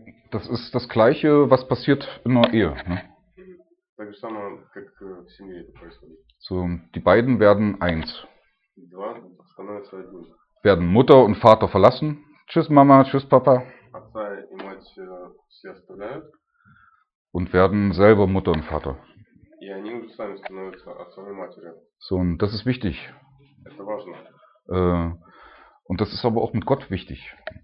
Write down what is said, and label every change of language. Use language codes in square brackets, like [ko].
[de] Das ist das Gleiche, was passiert in der Ehe. Ne? [ru] Так же самое, как в семье это происходит. [de] So, die beiden werden eins. [ru] Два становятся один. [de] Werden Mutter und Vater verlassen. Tschüss Mama, tschüss Papa. [ru] Отца и мать все оставляют. [de] Und werden selber Mutter und Vater. [ru] И они уже сами становятся отцом и матерью. [de] So, und das ist wichtig. [ru] Это важно. [de] Und das ist aber auch mit Gott wichtig.